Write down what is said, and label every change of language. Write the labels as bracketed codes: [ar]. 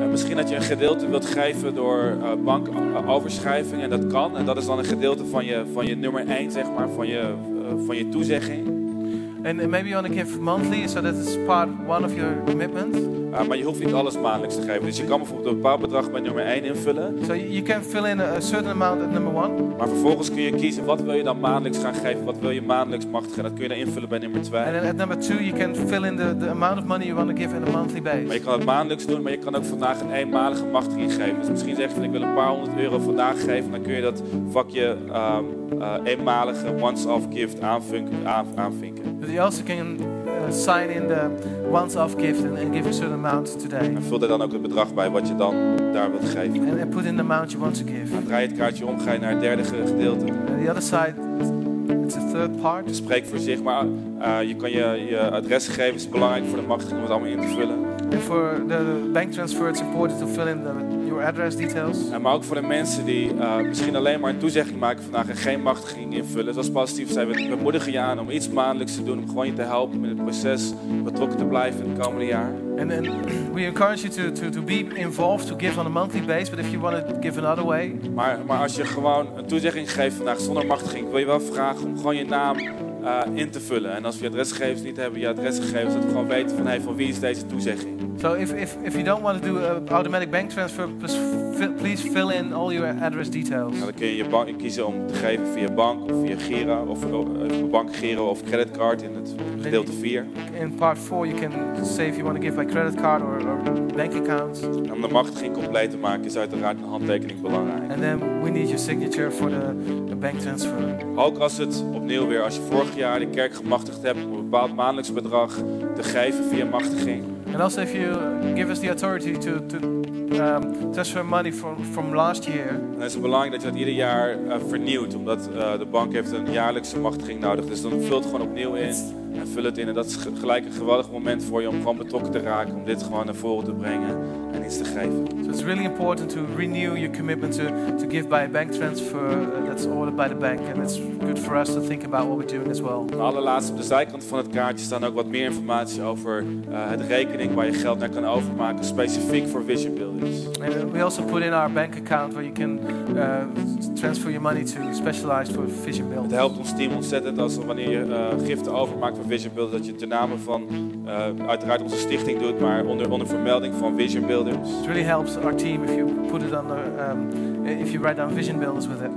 [nl] Misschien dat je een gedeelte wilt geven door bankoverschrijving en dat kan. En dat is dan een gedeelte van je nummer 1, zeg maar, van je toezegging. [en] And maybe you want to give monthly, so that is part one of your commitment. [nl] Maar je hoeft niet alles maandelijks te geven. Dus je kan bijvoorbeeld een bepaald bedrag met nummer 1 invullen. [en] So you can fill in a certain amount at number 1. [nl] Maar vervolgens kun je kiezen wat wil je dan maandelijks gaan geven, wat wil je maandelijks machtigen. Dat kun je dan invullen bij nummer 2. [en] And then at number 2 you can fill in the amount of money you want to give in a monthly basis. [nl] Maar je kan het maandelijks doen, maar je kan ook vandaag een eenmalige machtiging geven. Dus misschien zeg je van ik wil een paar honderd euro vandaag geven. Dan kun je dat vakje eenmalige once-off gift aanvinken. [en] You also can sign in the once-off gift and give a certain amount today. [nl] En vul er dan ook het bedrag bij wat je dan daar wilt geven. [en] And put in the amount you want to give. [nl] En draai het kaartje om, ga je naar het derde gedeelte. [en] And the other side, it's a third part. [nl] Spreek voor zich, maar je kan je adresgegevens, belangrijk voor de machtiging om het allemaal in te vullen. [en] And for the bank transfer, it's important to fill in your address details. [nl] En maar ook voor de mensen die misschien alleen maar een toezegging maken vandaag en geen machtiging invullen. Zoals Pastief zei, we moedigen je aan om iets maandelijks te doen, om gewoon je te helpen met het proces betrokken te blijven in het komende jaar. [en] And then we encourage you to be involved, to give on a monthly basis, but if you want to give another way. [nl] Maar als je gewoon een toezegging geeft vandaag zonder machtiging, wil je wel vragen om gewoon je naam in te vullen. En als we je adresgegevens niet hebben, je adresgegevens, dat we gewoon weten van hey, van wie is deze toezegging. [en] So if you don't want to do an automatic bank transfer, please fill in all your address details. [nl] Nou, dan kun je bank kiezen om te geven via bank of via Giro of bank Giro of creditcard in het gedeelte 4. [en] In part 4 you can say if you want to give by credit card or bank account. [nl] Om de machtiging compleet te maken is uiteraard een handtekening belangrijk. [en] And then we need your signature for the bank transfer. [nl] Ook als het opnieuw weer, als je vorig jaar de kerk gemachtigd hebt om een bepaald maandelijks bedrag te geven via machtiging. [en] And also if you give us the authority to transfer money from last year. [nl] Dan is het belangrijk dat je dat ieder jaar vernieuwt, omdat de bank heeft een jaarlijkse machtiging nodig. Dus dan vul het gewoon opnieuw in en vul het in. En dat is gelijk een geweldig moment voor je om gewoon betrokken te raken, om dit gewoon naar voren te brengen en iets te geven. [en] So it's really important to renew your commitment to give by a bank transfer that's ordered by the bank. And it's good for us to think about what we're doing as well. [nl] De allerlaatste op de zijkant van het kaartje staan ook wat meer informatie over het rekening waar je geld naar kan overmaken, specifiek voor Vision Builders. [en] And we also put in our bank account where you can transfer your money to specialized for Vision Builders. [nl] Het helpt ons team ontzettend als wanneer je giften overmaakt voor Vision Builders, dat je de namen van uiteraard onze stichting doet, maar onder vermelding van Vision Builders. [en] It really helps our team if you put it under if you write down Vision Builders with it.